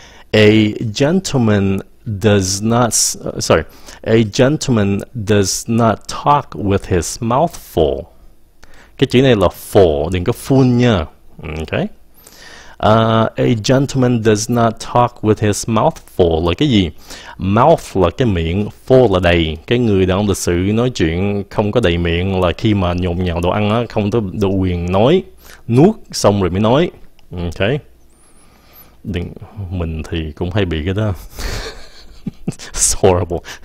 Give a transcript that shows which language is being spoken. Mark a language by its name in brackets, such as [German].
[English] A gentleman does not, sorry, a gentleman does not talk with his mouth full. [Vietnamese] Cái chữ này là full, đừng có full nha. Okay. [English] A gentleman does not talk with his mouth full [Vietnamese] là cái gì? Mouth là cái miệng, full là đầy. Cái người đàn ông lịch sự nói chuyện không có đầy miệng là khi mà nhồm nhào đồ ăn á, không có đủ quyền nói, nuốt xong rồi mới nói. Okay. Mình thì cũng hay bị cái đó. [English] It's horrible.